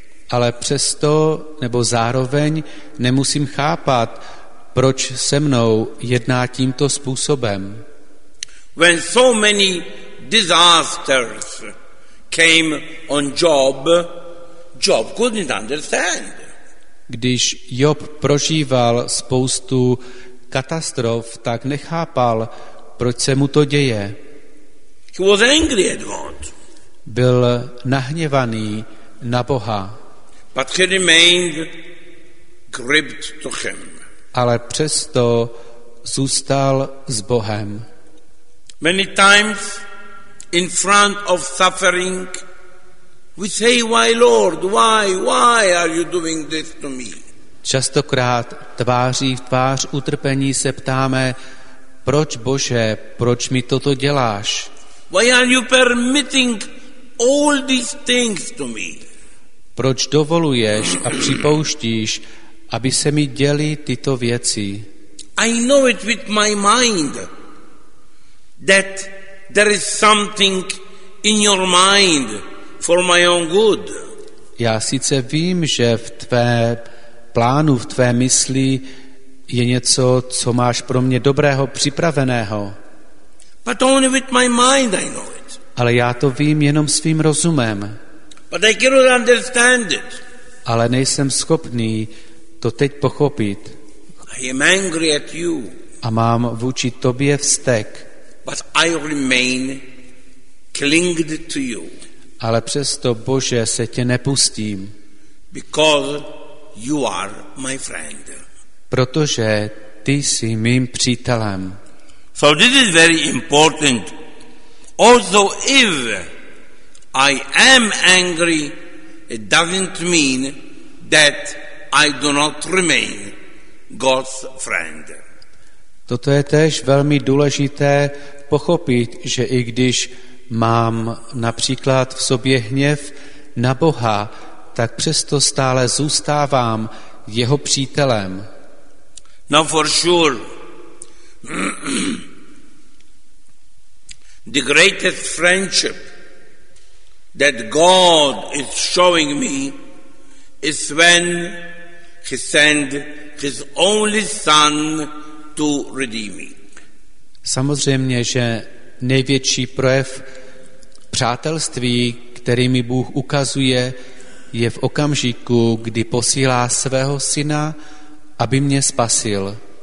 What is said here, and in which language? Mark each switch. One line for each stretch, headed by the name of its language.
Czech: Ale přesto, nebo zároveň, nemusím chápat, proč se mnou jedná tímto způsobem.
English: When so many disasters came on Job, Job couldn't understand.
Czech: Když Job prožíval spoustu katastrof, tak nechápal, proč se mu to děje.
English: He was angry at God.
Czech: Byl nahněvaný na Boha.
English: But he remained gripped to him.
Czech: Ale přesto zůstal s Bohem.
English: Many times in front of suffering we say, why Lord, why are you doing this to me?
Czech: Častokrát tváří v tvář utrpení se ptáme, proč Bože, proč mi toto děláš?
English: Why are you permitting all these things to me?
Czech: Proč dovoluješ a připouštíš, aby se mi děly tyto věci?
English: I know it with my mind that there is something in your mind for my own good.
Czech: Já sice vím, že v tvé plánu, v tvé mysli je něco, co máš pro mě dobrého, připraveného.
English: But only with my mind I know it.
Czech: Ale já to vím jenom svým rozumem.
English: But I cannot understand it.
Czech: Ale nejsem schopný to teď pochopit.
English: I am angry at you.
Czech: A mám vůči tobě vztek.
English: But I remain clinged to you.
Czech: Ale přesto, Bože, se tě nepustím.
English: Because you are my friend.
Czech: Protože ty jsi mým přítelem.
English: So this is very important. Also if I am angry, it doesn't mean that I do not remain God's friend.
Czech: Toto je též velmi důležité pochopit, že i když mám například v sobě hněv na Boha, tak přesto stále zůstávám jeho přítelem.
English: Now for sure, the greatest friendship that God is showing me is when He sent his only son to redeem me.
Czech: Samozřejmě, že největší projev přátelství, který mi Bůh ukazuje, je v okamžiku, kdy posílá svého syna, aby mě spasil.